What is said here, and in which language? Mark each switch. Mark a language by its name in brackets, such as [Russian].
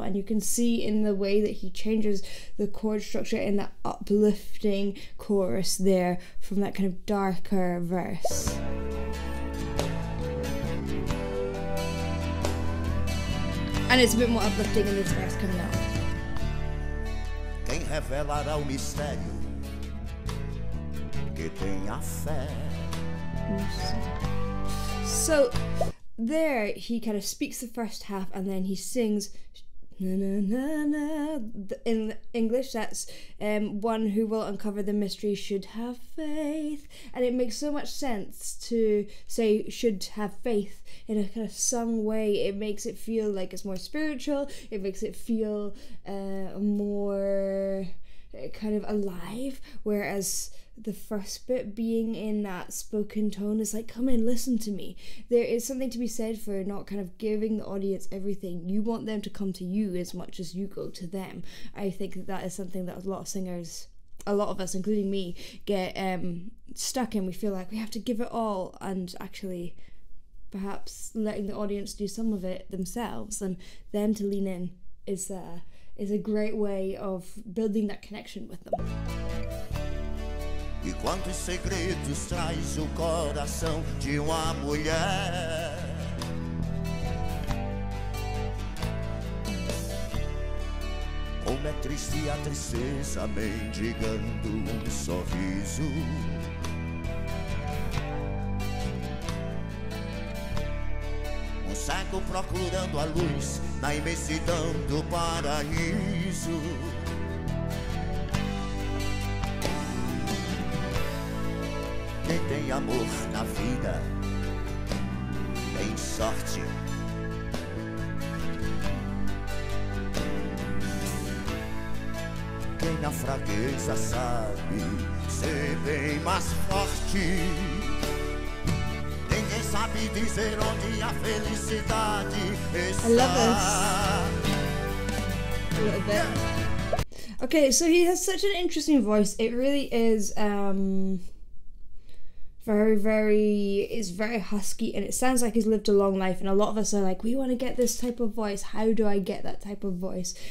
[English] And you can see in the way that he changes the chord structure in that uplifting chorus there from that kind of dark verse. And it's a bit more uplifting in this verse coming up. [Portuguese] Quem revelará o mistério que tem a fé? [English] So there he kind of speaks the first half and then he sings na, na, na, na. In English, that's one who will uncover the mystery should have faith. And it makes so much sense to say should have faith in a kind of sung way. It makes it feel like it's more spiritual. It makes it feel more kind of alive. Whereas the first bit being in that spoken tone is like, come in, listen to me. There is something to be said for not kind of giving the audience everything. You want them to come to you as much as you go to them. I think that is something that a lot of singers, a lot of us, including me, get stuck in. We feel like we have to give it all, and actually perhaps letting the audience do some of it themselves and them to lean in is a great way of building that connection with them. [Portuguese] E quantos segredos traz o coração de uma mulher? Como é triste a tristeza mendigando um sorriso. Um cego procurando a luz na imensidão do paraíso. Quem tem amor na vida tem sorte. Quem na fraqueza sabe ser bem mais forte. Ninguém sabe dizer onde a felicidade está. [English] I love this. A little bit. Yeah. Okay, so he has such an interesting voice. It really is very, it's very husky, and it sounds like he's lived a long life. And a lot of us are like, we want to get this type of voice. How do I get that type of voice?